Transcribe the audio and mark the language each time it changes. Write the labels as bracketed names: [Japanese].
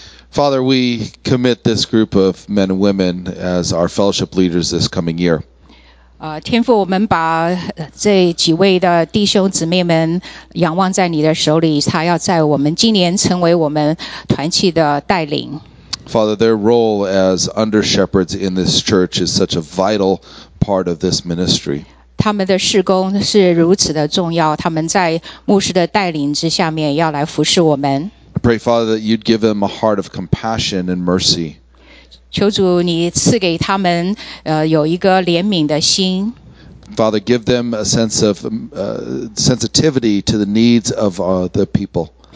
[English] Father, we commit this group of men and women as our fellowship leaders this coming year. [Chinese] 天父, 我们把这几位的弟兄姊妹们 仰望在你的手里, 他要在我们今年成为我们团契的带领。 [English] Father, their role as under-shepherds in this church is such a vital part of this ministry. [Chinese] 他们的事工是如此的重要, 他们在牧师的带领之下面要来服侍我们。 [English] I pray, Father, that you'd give them a heart of compassion and mercy. [Chinese] 求主你赐给他们, 有一个怜悯的心。 [English] Father, give them a sense of sensitivity to the needs of the people.